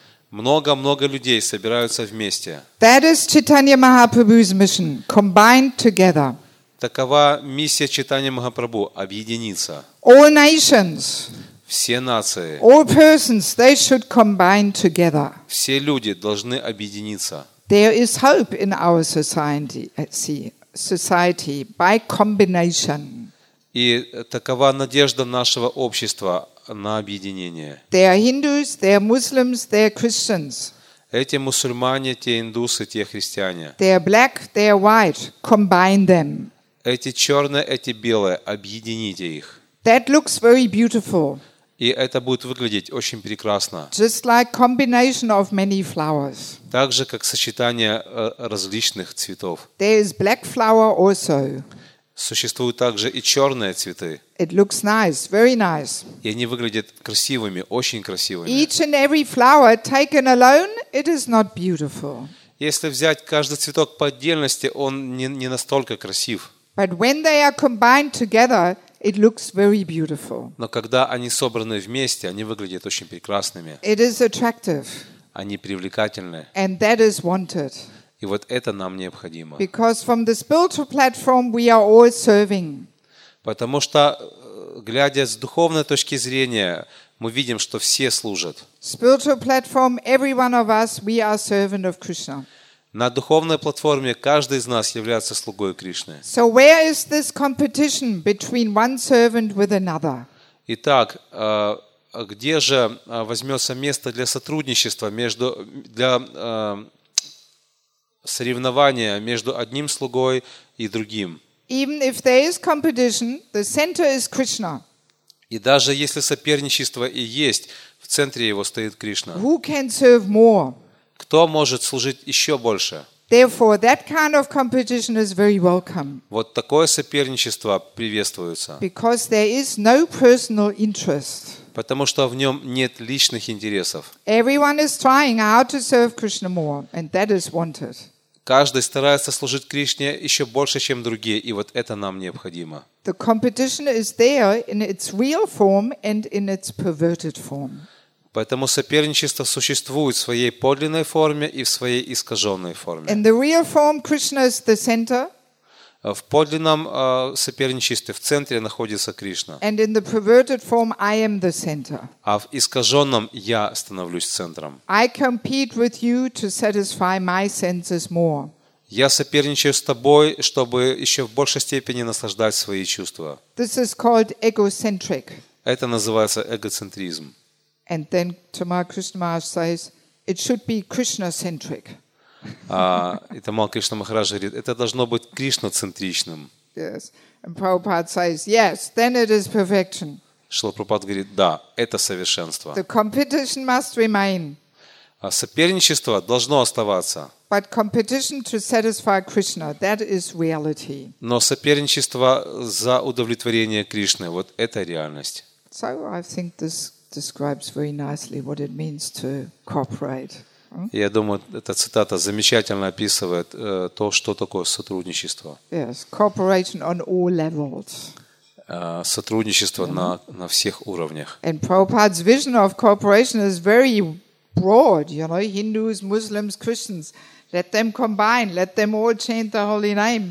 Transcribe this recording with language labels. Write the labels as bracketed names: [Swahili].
[Russian] Много-много людей собираются вместе. [English] That is Chaitanya Mahaprabhu's mission, combined together. [Russian] Такова миссия Чайтанья Махапрабху – объединиться. [English] All nations. [Russian] Все нации. [English] All persons, they should combine together. [Russian] Все люди должны объединиться. [English] There is hope in our society, society by combination. [Russian] И такова надежда нашего общества на объединение. [English] They are Hindus, they are Muslims, they are Christians. [Russian] Эти мусульмане, те индусы, те христиане. [English] They are black, they are white. Combine them. [Russian] Эти черные, эти белые, объедините их. [English] That looks very beautiful. [Russian] И это будет выглядеть очень прекрасно. [English] Just like combination of many flowers. [Russian] Так же, как сочетание различных цветов. [English] There is black flower also. [Russian] Существуют также и черные цветы. [English] It looks nice, very nice. [Russian] И они выглядят красивыми, очень красивыми. [English] Each and every flower taken alone, it is not beautiful. [Russian] Если взять каждый цветок по отдельности, он не настолько красив. [English] But when they are combined together, it looks very beautiful. [Russian] Но когда они собраны вместе, они выглядят очень прекрасными. [English] It is attractive. [Russian] Они привлекательны. [English] And that is wanted. [Russian] И вот это нам необходимо. [English] Because from the spiritual platform we are all serving. [Russian] Потому что, глядя с духовной точки зрения, мы видим, что все служат. [English] Spiritual platform, every one of us, we are servant of Krishna. [Russian] На духовной платформе каждый из нас является слугой Кришны. [English] So where is this competition between one servant with another? [Russian] Итак, где же возьмется место для сотрудничества между для соревнования между одним слугой и другим? [English] Even if there is competition, the center is Krishna. [Russian] И даже если соперничество и есть, в центре его стоит Кришна. [English] Who can serve more? [Russian] Кто может служить еще больше? [English] Therefore, that kind of competition is very welcome. [Russian] Вот такое соперничество приветствуется. [English] Because there is no personal interest. [Russian] Потому что в нем нет личных интересов. [English] Everyone is trying how to serve Krishna more, and that is wanted. [Russian] Каждый старается служить Кришне еще больше, чем другие, и вот это нам необходимо. [English] The competition is there in its real form and in its perverted form. [Russian] Поэтому соперничество существует в своей подлинной форме и в своей искаженной форме. [English] In the real form, Krishna is the center. [Russian] В подлинном соперничестве в центре находится Кришна. [English] And in the perverted form, I am the center. [Russian] А в искаженном я становлюсь центром. [English] I compete with you to satisfy my senses more. [Russian] Я соперничаю с тобой, чтобы еще в большей степени наслаждать свои чувства. [English] This is called egocentric. [Russian] Это называется эгоцентризм. [English] And then Tamal Krishna Maharaj says, it should be Krishna-centric. [Russian] И Тамал Кришна Махарадж говорит, это должно быть Кришна-центричным. [English] Yes. And Prabhupada says, yes, then it is perfection. [Russian] Шрила Прабхупада говорит, да, это совершенство. [English] The competition must remain. [Russian] Соперничество должно оставаться. [English] But competition to satisfy Krishna, that is reality. [Russian] Но соперничество за удовлетворение Кришны, вот это реальность. [English] So I think this describes very nicely what it means to cooperate. [Russian] Я думаю, эта цитата замечательно описывает то, что такое сотрудничество. [English] Yes, cooperation on all levels. [Russian] Сотрудничество на всех уровнях. [English] And Prabhupada's vision of cooperation is very broad, you know, Hindus, Muslims, Christians, let them combine, let them all chant the holy name.